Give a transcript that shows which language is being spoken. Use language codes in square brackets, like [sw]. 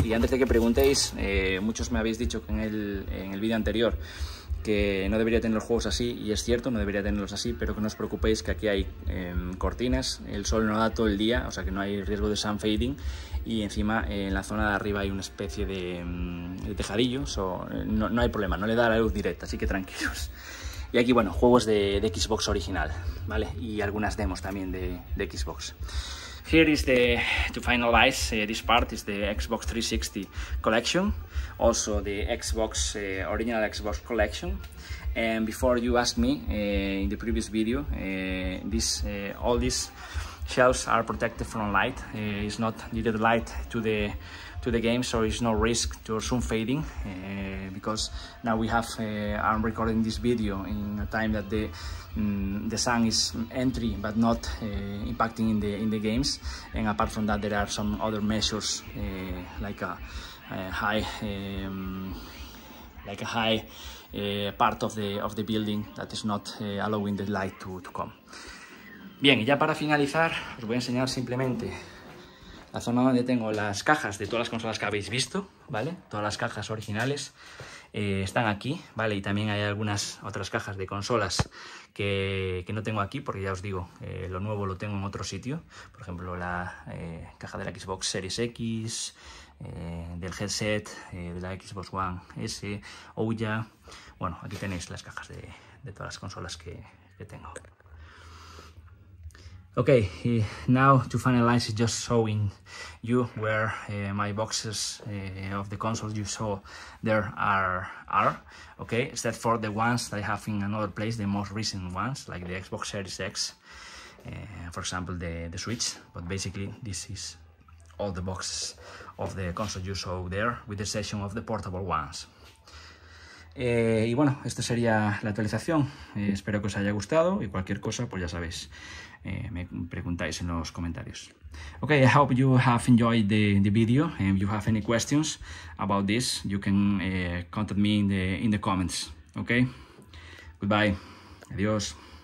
[es] Y antes de que preguntéis, muchos me habéis dicho que en el vídeo anterior que no debería tener los juegos así, y es cierto, no debería tenerlos así, pero que no os preocupéis, que aquí hay cortinas, el sol no da todo el día, o sea que no hay riesgo de sun fading, y encima en la zona de arriba hay una especie de tejadillo, no hay problema, no le da la luz directa, así que tranquilos. Y aquí, bueno, juegos de Xbox original, ¿vale? Y algunas demos también de Xbox. [en] Here is to finalize this part is the Xbox 360 collection, also the Xbox original Xbox collection. And before you ask me in the previous video, this all these shelves are protected from light. It's not needed light to the game, so it's no risk to soon fading. Because now we have I'm recording this video in a time that the sun is entering but not impacting in the games, and apart from that there are some other measures like a high part of the building that is not allowing the light to come. [es] Bien, y ya para finalizar os voy a enseñar simplemente la zona donde tengo las cajas de todas las consolas que habéis visto, ¿vale? Todas las cajas originales están aquí, ¿vale? Y también hay algunas otras cajas de consolas que no tengo aquí, porque ya os digo, lo nuevo lo tengo en otro sitio. Por ejemplo, la caja de la Xbox Series X, del headset, de la Xbox One S, Ouya. Bueno, aquí tenéis las cajas de todas las consolas que tengo. [en] Okay, now to finalize, just showing you where my boxes of the consoles you saw there are. Okay, except for the ones that I have in another place, the most recent ones, like the Xbox Series X, for example, the Switch. But basically, this is all the boxes of the console you saw there, with the exception of the portable ones. [es] Y bueno, esta sería la actualización. Espero que os haya gustado y cualquier cosa, pues ya sabéis, me preguntáis en los comentarios. [en] Ok, I hope you have enjoyed the video. And if you have any questions about this, you can contact me in the comments. Ok, goodbye. Adiós.